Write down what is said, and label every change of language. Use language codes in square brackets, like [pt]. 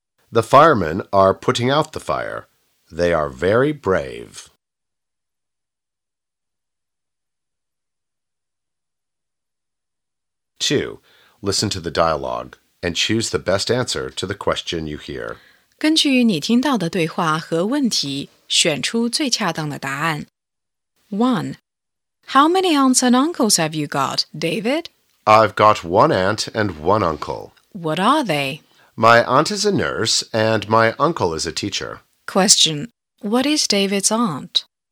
[en] The firemen are putting out the fire. They are very brave. 2. Listen to the dialogue and choose the best answer to the question you hear. [zh] 根据你听到的对话和问题选出最恰当的答案。 [en] 1. How many aunts and uncles have you got, David? I've got one aunt and one uncle. What are they? My aunt is a nurse and my uncle is a teacher. Question. What is David's aunt?